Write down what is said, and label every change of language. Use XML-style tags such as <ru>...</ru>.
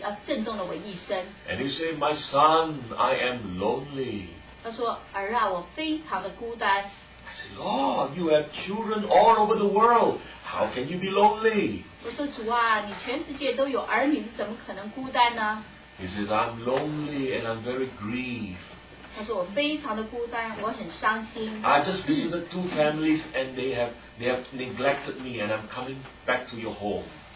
<en>and he said, my son, I am lonely.</en> <zh>他说, 儿啊,</zh> <en>I said, Lord, you have children all over the world. How can you be lonely?</en> <zh>我说, 主啊, 你全世界都有儿女, 怎么可能孤单呢?</zh> <en>He says, I'm lonely and I'm very grieved.</en> <zh>他说,</zh> <en>I just visited two families and they have neglected me and I'm coming back to your home.</en>